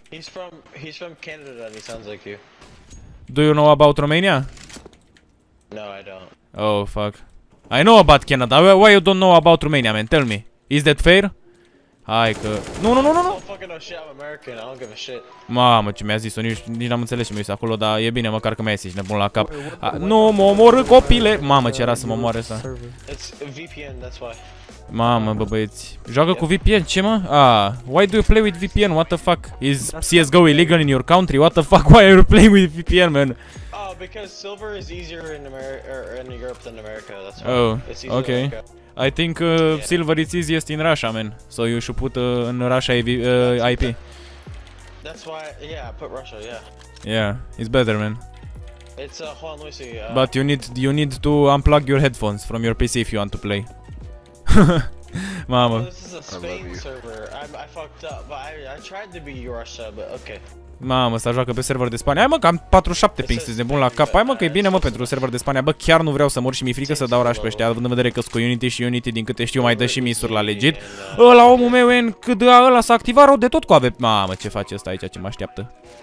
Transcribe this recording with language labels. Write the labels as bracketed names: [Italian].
[English] He's from Canada and he sounds like you. Do you know about Romania? No, I don't. Oh, fuck. I know about Canada. Why you don't know about Romania, man? Tell me. Is that fair? [Romanian] Hai că... Nu. [English] I don't fucking know shit, I'm American. I don't give a shit. [Romanian] Mamă, ce mi-a zis-o, nici n-am înțeles ce mi-a zis acolo, dar e bine, măcar că mi-a zis nebun la cap. Nu, mă omoră, copile! Mamă, ce era să mă moare ăsta. [English] It's VPN, that's why. [Romanian] Mamă, bă, băieți. Joacă cu VPN, ce mă? [English] Why do you play with VPN? What the fuck? Is CSGO illegal in your country? What the fuck? Why are you playing with VPN, man? Oh, because silver is easier in Europe than America, that's why. Oh, okay. I think silver is easiest in Russia, man. So you should put in Russia IP. That's why, yeah, I put Russia, yeah. Yeah, it's better, man. It's Juan Luis. But you need to unplug your headphones from your PC if you want to play. Mama. Well, this is a Spain server. I fucked up, but I tried to be Russia, but okay. [Romanian] Mamă, să joacă pe server de Spania. Hai mă, că am 47 ping, sunt nebun la cap. Hai mă, că e bine, mă, pentru server de Spania. Bă, chiar nu vreau să mor și mi-e frică să dau rush pe ăștia, având în vedere că sunt cu Unity și Unity, din câte știu, mai dă și misuri la legit. Ăla, omul meu, în cât de ăla s-a activat rău de tot cu ave. Mamă, ce face ăsta aici, ce mă așteaptă?